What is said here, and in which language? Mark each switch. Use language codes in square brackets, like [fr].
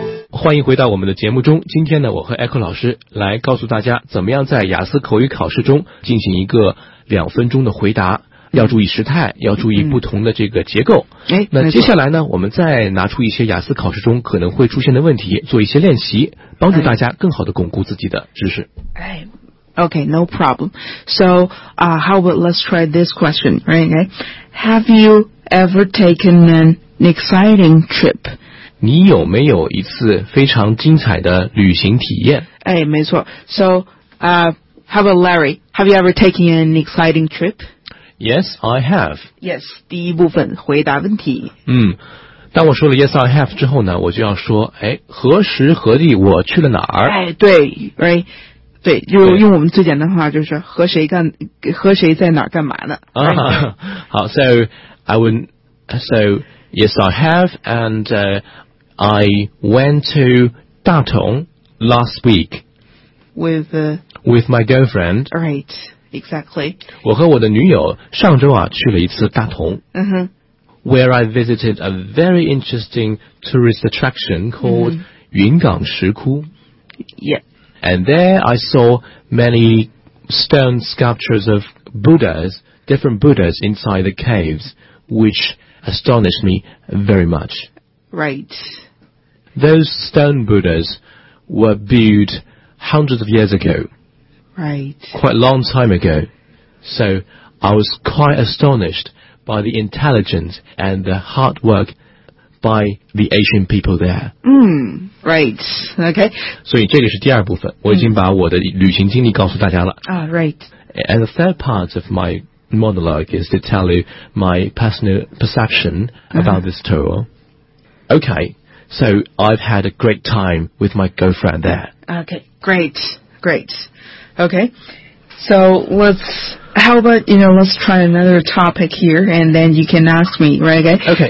[zh] 欢迎回到我们的节目中。今天呢，我和 Echo 老师来告诉大家，怎么样在雅思口语考试中进行一个两分钟的回答。要注意时态，要注意不同的这个结构。那接下来呢，我们再拿出一些雅思考试中可能会出现的问题做一些练习，帮助大家更好的巩固自己的知识。 [en] Okay, no problem. So, how about let's try this question, right? Okay. Have you ever taken an exciting trip? [zh] 你有没有一次非常精彩的旅行体验？哎，没错。 [en] So, how about Larry? Have you ever taken an exciting trip? Yes, I have. [zh] Yes, 第一部分回答问题。当我说了 [en] Yes, I have [zh] 之后呢，我就要说，哎，何时何地我去了哪儿？哎，对 ，right， 对，就用我们最简单的话，就是和谁在哪儿干嘛呢？ [en] 啊，好 ，So I went. So Yes, I have, and I went to Datong last week with my girlfriend. Right. Exactly. [zh] 我和我的女友上周啊去了一次大同。 [en] Where I visited a very interesting tourist attraction called 云冈石窟。 And there I saw many stone sculptures of Buddhas, different Buddhas inside the caves, which astonished me very much. Right. Those stone Buddhas were built hundreds of years ago. Right. Quite a long time ago. So I was quite astonished by the intelligence and the hard work by the Asian people there. Right. Okay. [zh] 所以这个是第二部分，我已经把我的旅行经历告诉大家了。 [en] Right. And the third part of my monologue is to tell you my personal perception about this tour. Okay. So I've had a great time with my girlfriend there. Okay. Great. Okay, so let's try another topic here, and then you can ask me, right? Okay.